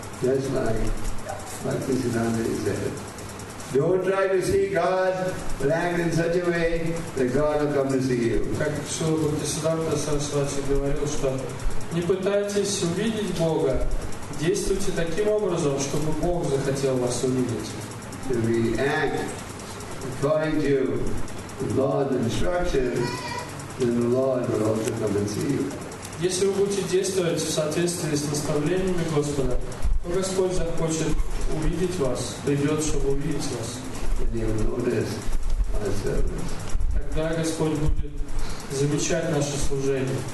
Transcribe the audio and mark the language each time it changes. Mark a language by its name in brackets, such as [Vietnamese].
[Russian] Я знаю. Мать Сидана говорит, [English] don't try to see God land in such a way that God will come to see you. [Russian] Как Шрила Бхактисиддханта Сарасвати говорил, что не пытайтесь увидеть Бога, действуйте таким образом, чтобы Бог захотел вас увидеть. [English] If we act according to the Lord's instructions, then the Lord will also come and see you. [Russian] Если вы будете действовать в соответствии с наставлениями Господа, то Господь захочет увидеть вас, придет, чтобы увидеть вас. Тогда Господь будет замечать наше служение.